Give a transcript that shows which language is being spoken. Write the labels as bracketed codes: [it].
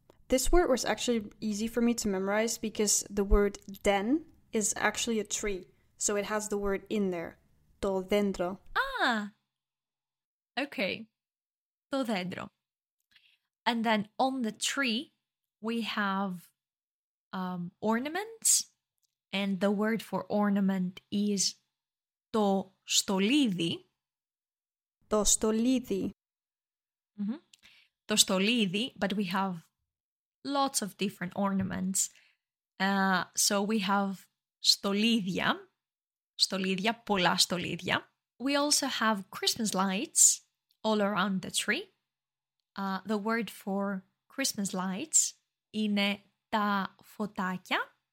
[en] This word was actually easy for me to memorize because the word den is actually a tree. So it has the word in there. [el] Το δέντρο. Ah! Okay. Το δέντρο. [en] And then on the tree, we have ornaments. And the word for ornament is [el] το στολίδι. Το στολίδι. [en] Mm-hmm. [el] Το στολίδι, [en] but we have lots of different ornaments. So we have στολίδια. [el] Στολίδια, πολλά στολίδια. [en] We also have Christmas lights all around the tree. The word for Christmas lights [el] είναι τα φωτάκια.